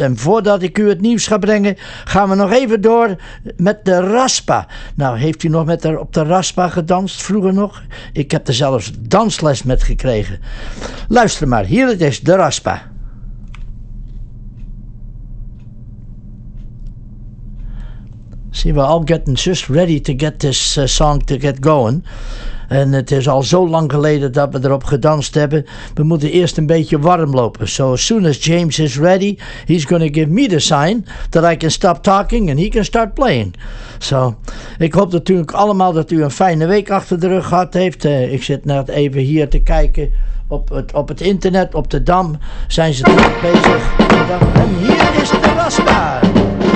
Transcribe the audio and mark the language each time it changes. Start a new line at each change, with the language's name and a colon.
Dutch: En voordat ik u het nieuws ga brengen, gaan we nog even door met de Raspa. Nou, heeft u nog met haar op de Raspa gedanst vroeger nog? Ik heb er zelfs dansles met gekregen. Luister maar, hier het is, de Raspa.
English: See, we're all getting just ready to get this song to get going.
Dutch: En het is al zo lang geleden dat we erop gedanst hebben. We moeten eerst een beetje warm lopen.
English: So as soon as James is ready, he's going to give me the sign that I can stop talking and he can start playing.
Dutch: So, ik hoop natuurlijk allemaal dat u een fijne week achter de rug gehad heeft. Ik zit net even hier te kijken op het internet, op de Dam. Zijn ze druk bezig? En hier is de Raspa.
English: We'll be right back.